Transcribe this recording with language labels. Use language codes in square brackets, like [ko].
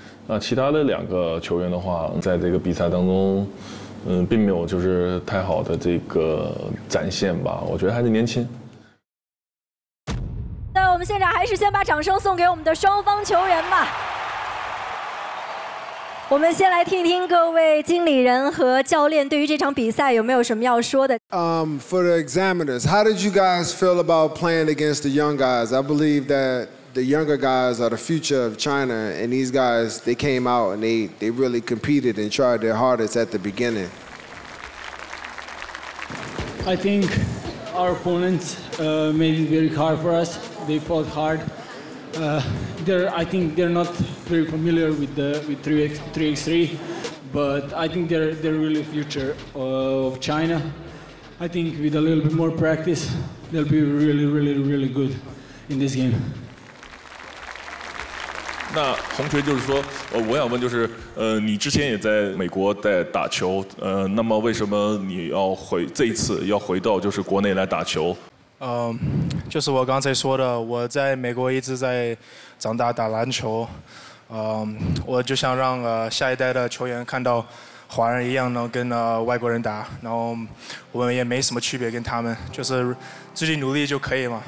[zh] 那其他的两个球员的话，在这个比赛当中，并没有就是太好的这个展现吧。我觉得还是年轻。那我们现场还是先把掌声送给我们的双方球员吧。我们先来听一听各位经理人和教练对于这场比赛有没有什么要说的。 [en] For the examiners, how did you guys feel about playing against the young guys? I believe that the younger guys are the future of China, and these guys, they came out and they really competed and tried their hardest at the beginning. I think our opponents made it very hard for us. They fought hard. I think they're not very familiar with 3x3, but I think they're really the future of China. I think with a little bit more practice, they'll be really, really, really good in this game. [zh] 那红锤就是说，我想问就是，你之前也在美国在打球，那么为什么你要回这一次要回到就是国内来打球？就是我刚才说的，我在美国一直在长大打篮球，我就想让下一代的球员看到华人一样能跟外国人打，然后我们也没什么区别跟他们，就是自己努力就可以嘛。